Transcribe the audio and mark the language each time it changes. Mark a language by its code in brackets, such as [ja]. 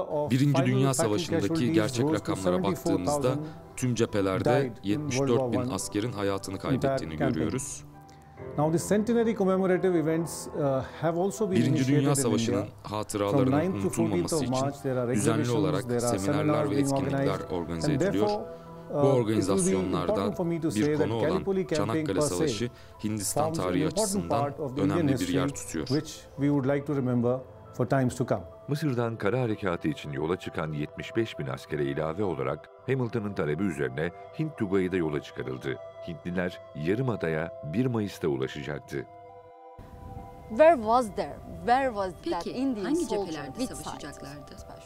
[tr] Birinci Dünya Savaşı'ndaki gerçek rakamlara baktığımızda tüm cephelerde 74 bin askerin hayatını kaybettiğini görüyoruz. [en] Now the centenary commemorative events have also been initiated in India. From 9 to 14 March, there are exhibitions, there are seminars being organized, and therefore, it will be important for me to say that Gallipoli campaign per se forms an important part of the Indian history, which we would like to remember for times to come. [tr] Mısır'dan kara harekatı için yola çıkan 75 bin askere ilave olarak Hamilton'ın talebi üzerine Hint Tugayı da yola çıkarıldı. Hintliler yarımadaya 1 Mayıs'ta ulaşacaktı. [en] Where was there? Where was [tr] Peki, [en] that [tr] hangi cephelerde savaşacaklardı?